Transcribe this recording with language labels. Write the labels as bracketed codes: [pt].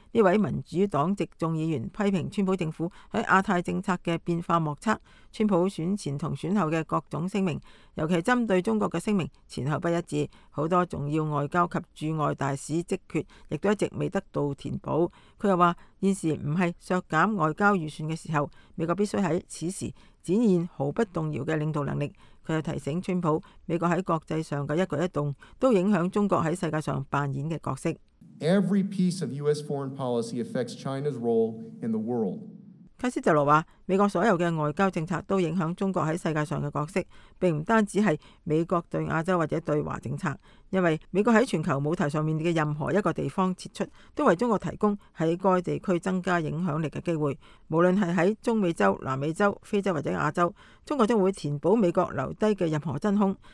[zh] 這位民主黨籍眾議員批評川普政府在亞太政策的變化莫測，川普選前和選後的各種聲明，尤其針對中國的聲明前後不一致，很多重要外交及駐外大使職缺亦都一直未得到填補。他又說，現時不是削減外交預算的時候，美國必須在此時展現毫不動搖的領導能力。他又提醒川普，美國在國際上的一舉一動都影響中國在世界上扮演的角色。 [en] Every piece of U.S. foreign policy affects China's role in the world. [zh] 卡斯特羅說，美國所有的外交政策都影響中國在世界上的角色，並不單止是美國對亞洲或者對華政策，因為美國在全球舞台上面的任何一個地方撤出，都為中國提供在該地區增加影響力的機會。無論是在中美洲、南美洲、非洲或者亞洲，中國將會填補美國留下的任何真空。